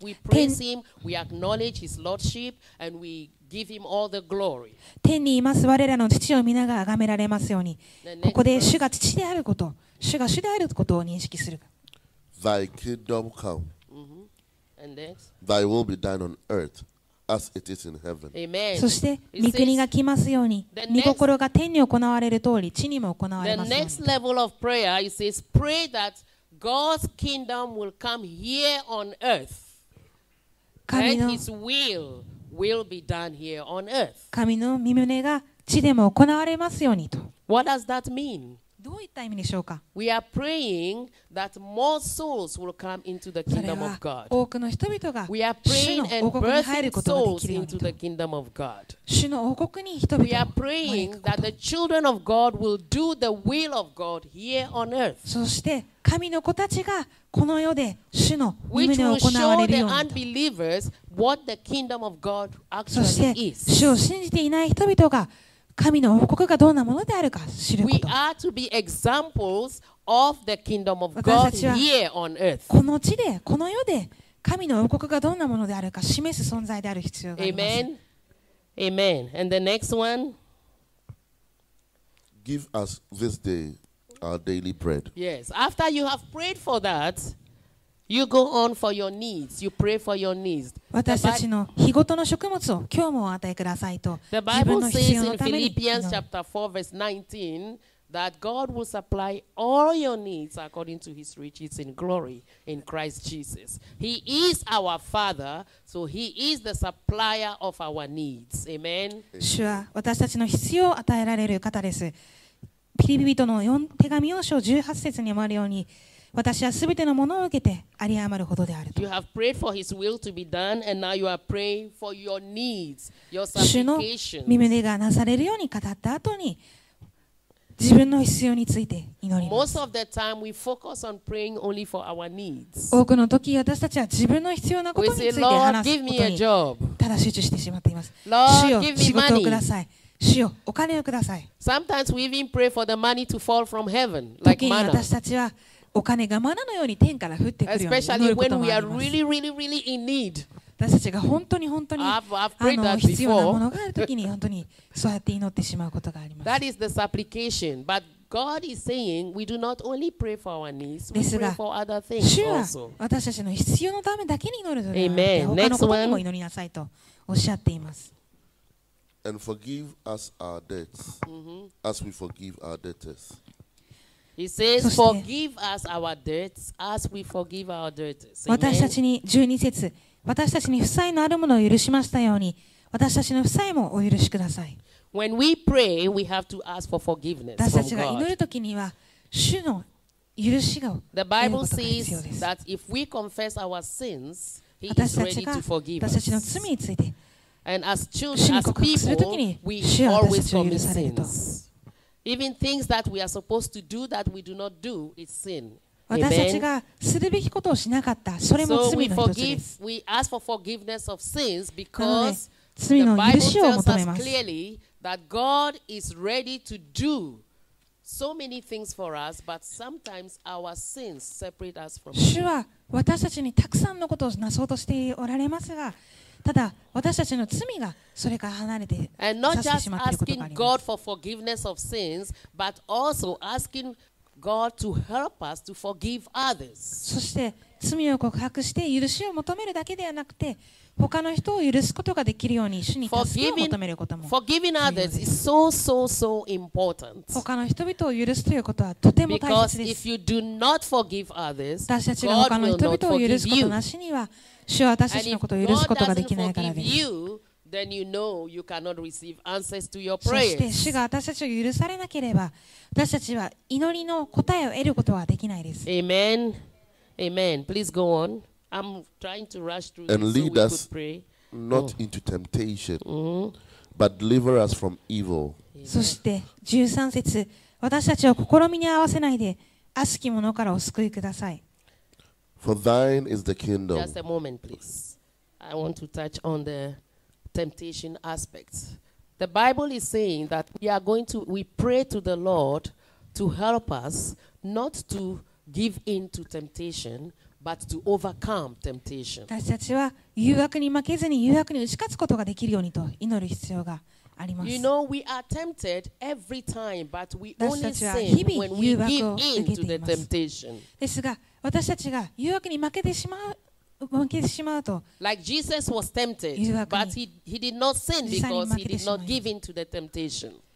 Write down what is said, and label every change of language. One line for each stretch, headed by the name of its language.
English: We praise him, we acknowledge his lordship, and we give him all the glory.
Japanese: 天にいます我らの父を皆が崇められますように。ここで主が父であること、主が主であることを認識する。
English: Thy kingdom come. And next. Thy will be done on earth as it is in heaven. Amen.
Japanese: そして御国が来ますように、御心が天に行われる通り、地にも行われますように。
English: The next level of prayer, he says, pray that God's kingdom will come here on earth. And his will be done here on earth.
Japanese: 神の御旨が地でも行われますようにと。
English: What does that mean?
Japanese: どういった意味でしょうか?
English: We are praying that more souls will come into the kingdom of God.
Japanese: それは多くの人々が主の王国に入ることができるようにと。
English: We are praying and birthing souls into the kingdom of God.
Japanese: 主の王国に人々が入ること。
English: We are praying that the children of God will do the will of God here on earth.
Japanese: そして神の子たちがこの世で主の御旨を行われるようにと。
English: Which will show the unbelievers what the kingdom of God actually is.
Japanese: そして主を信じていない人々が神の王国がどんなものであるか知ること。
English: We are to be examples of the kingdom of God here on earth.
Japanese: この地で、この世で、神の王国がどんなものであるか示す存在である必要があります。
English: Amen. Amen. And the next one. Give us this day our daily bread. Yes. After you have prayed for that, you go on for your needs. You pray for your needs.
Japanese: 私たちの日ごとの食物を今日もお与えくださいと自分の必要のために。
English: The Bible says in Philippians chapter 4 verse 19 that God will supply all your needs according to his riches in glory in Christ Jesus. He is our Father, so he is the supplier of our needs. Amen.
Japanese: 主は私たちの必要を与えられる方です。ピリピ人の手紙4章18節にもあるように私はすべてのものを受けてあり余るほどであると。
English: You have prayed for His will to be done, and now you are praying for your needs, your supplications.
Japanese: 主の御旨がなされるように語った後に、自分の必要について祈ります。
English: Most of the time, we focus on praying only for our needs.
Japanese: 多くの時、私たちは自分の必要なことについて話すことに、
English: give me a job.
Japanese: ただ集中してしまっています。
English: Lord,
Japanese: 主よ、仕事をください。主よ、お金をください。
English: Sometimes we even pray for the money to fall from heaven, like manna.
Japanese: 時に私たちはお金がマナのように天から降ってくるように祈ることもあります。
English: Really, really, really in need.
Japanese: 私たちが本当に本当に必要なものがあるときに本当にそうやって祈ってしまうことがあります。
English: That is the supplication. But God is saying we do not only pray for our needs, we pray for other things also.
Japanese: 主は私たちの必要のためだけに祈るのではなくて、他のことにも祈りなさいとおっしゃっています。
English: And forgive us our debts, as we forgive our debtors. He says, forgive us our debts as we forgive our debtors.
Japanese: 私たちに12節、私たちに負債のあるものを許しましたように、私たちの負債もお許しください。
English: When we pray, we have to ask for forgiveness from God.
Japanese: 私たちが祈るときには、主の許しが、
English: The Bible says that if we confess our sins, He is ready to forgive us.
Japanese: 私たちの罪について、
English: And as children, as people, we always commit sins. Even things that we are supposed to do that we do not do is sin.
Japanese: 私たちがするべきことをしなかった、それも罪の一つです。
English: So we forgive, we ask for forgiveness of sins because
Japanese: 罪の許しを求めます。
English: The Bible tells us clearly that God is ready to do so many things for us, but sometimes our sins separate us from Him.
Japanese: 主は私たちにたくさんのことをなそうとしておられますが、ただ私たちの罪がそれから離れてさせてしまっていることがあります。
English: For sins, but also asking God to help us to forgive others.
Japanese: そして罪を告白して許しを求めるだけではなくて他の人を許すことができるように主に助けを求めることも
English: forgiving others is so so so important.
Japanese: 他の人々を許すということはとても大切です。
English: Because if you do not forgive others,
Japanese: 私たちが他の人々を許すことなしには主は私たちのことを許すことができないからです。
English: Then you know you cannot receive answers to your prayers.
Japanese: そして主が私たちを許されなければ私たちは祈りの答えを得ることはできないです。
English: Amen. Amen. Please go on. I'm trying to rush through and lead so us we could pray. Not into temptation, but deliver us from evil.
Japanese: そして13節、私たちを試みに合わせないで悪しき者からお救いください。
English: For thine is the kingdom. Just a moment, please. I want to touch on the temptation aspects. The Bible is saying that we pray to the Lord to help us not to give in to temptation, but to overcome temptation.
Japanese: 私たちは誘惑に負けずに誘惑に打ち勝つことができるようにと祈る必要があります。
English: You know, we are tempted every time, but we only sin when we give in to the temptation.
Japanese: ですが、私たちが誘惑に負けてしまう。
English: Like Jesus was tempted, but he did not sin because he did not give in to the temptation.